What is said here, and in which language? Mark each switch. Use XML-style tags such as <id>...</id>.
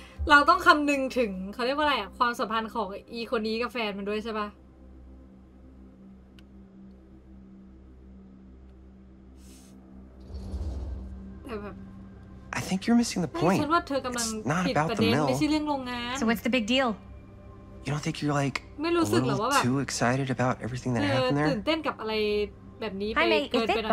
<th>เราต้องคำนึงถึงเขาเรียกว่าอะไรอ่ะความสัมพันธ์ของอีคนนี้กับแฟนมันด้วยใช่ป่ะแบบ</th> <en>I think you're missing the point.</en> <th>ฉันว่าเธอกำลังผิดประเด็นไม่ใช่เรื่องโรงงาน</th> <en>So what's the big deal? You don't think you're like a little too excited about everything that happened there?</en> <th>ตื่นเต้นกับอะไรแบบนี้ไปเกินไปหน่อย</th>